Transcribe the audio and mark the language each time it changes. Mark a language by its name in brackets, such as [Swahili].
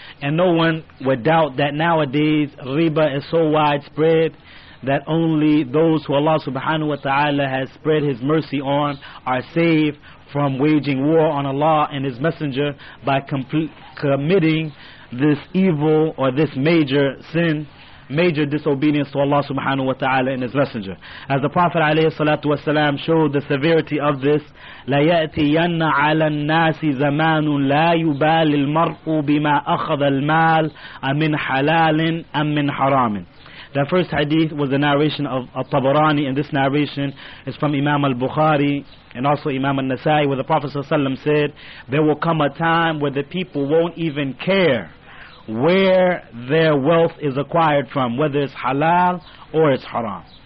[English] And no one would doubt that nowadays riba is so widespread that only those who Allah subhanahu wa ta'ala has spread His mercy on are saved from waging war on Allah and His Messenger by committing this evil or this major sin, major disobedience to Allah subhanahu wa ta'ala and His Messenger. As the Prophet alayhi salatu wasalam showed the severity of this, [Arabic] لَيَأْتِيَنَّ عَلَى النَّاسِ زَمَانٌ لَا يُبَالِ الْمَرْءُ بِمَا أَخَذَ الْمَالِ أَمِنْ حَلَالٍ أَمِنْ حَرَامٍ. [English] The first hadith was a narration of Al-Tabarani, and this narration is from Imam Al-Bukhari and also Imam Al-Nasai, where the Prophet ﷺ said, there will come a time where the people won't even care where their wealth is acquired from, whether it's halal or it's haram.